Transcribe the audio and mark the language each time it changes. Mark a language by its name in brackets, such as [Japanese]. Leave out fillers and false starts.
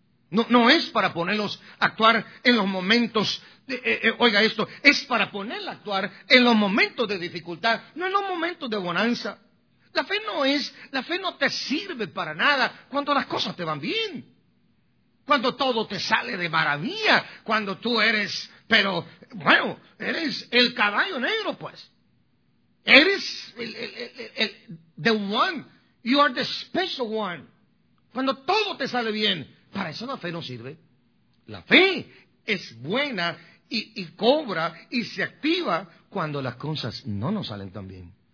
[Spanish] No es para ponerlos a actuar en los momentos, oiga esto, es para ponerla a actuar en los momentos de dificultad, no en los momentos de bonanza. La fe no te sirve para nada cuando las cosas te van bien, cuando todo te sale de maravilla, cuando tú eres, pero bueno, eres el caballo negro, pues. Eres el [English] the one, you are the special one. [Spanish] Cuando todo te sale bien, para eso la fe no sirve. La fe es buena y cobra y se activa cuando las cosas no nos salen tan bien.